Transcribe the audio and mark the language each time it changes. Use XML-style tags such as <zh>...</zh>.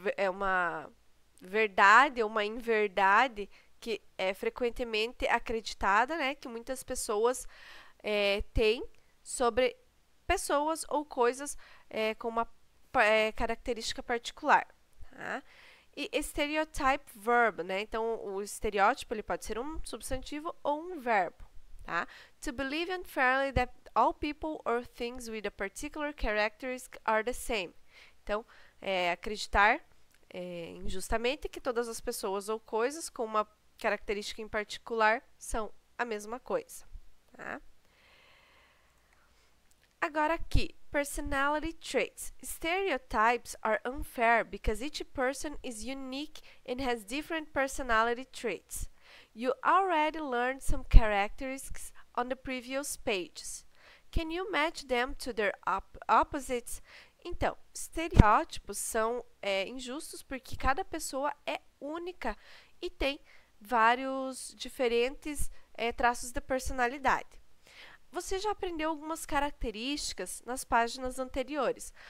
<pt>Uma verdade ou uma inverdade que é frequentemente acreditada, né, que muitas pessoas têm sobre pessoas ou coisas com uma característica particular. Tá? E stereotype verb, né? Então, o estereótipo ele pode ser um substantivo ou um verbo. Tá?</pt> <en>To believe unfairly that all people or things with a particular characteristic are the same.</en> <pt>Então, acreditar injustamente que todas as pessoas ou coisas com uma característica em particular são a mesma coisa. Tá? Agora aqui, personality traits.</pt> <en>Stereotypes are unfair because each person is unique and has different personality traits. You already learned some characteristics on the previous pages. Can you match them to their opposites?</en> <pt>Então, estereótipos são injustos porque cada pessoa é única e tem vários diferentes traços de personalidade. Você já aprendeu algumas características nas páginas anteriores.</pt>